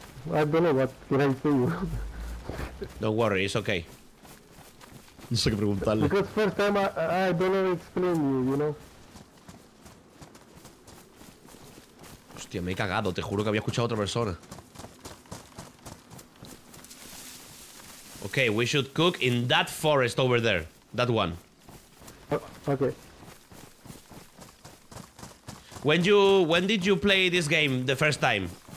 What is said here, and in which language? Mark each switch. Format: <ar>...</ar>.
<en>I don't know what can I say. Don't worry, it's okay.</en> <es>No sé qué preguntarle.</es> <en>Because first time I don't know explain you, you know.</en> <es>Tío, me he cagado, te juro que había escuchado a otra persona.</es> <en>Okay, we should cook in that forest over there. That one. Okay. When did you play this game the first time?</en>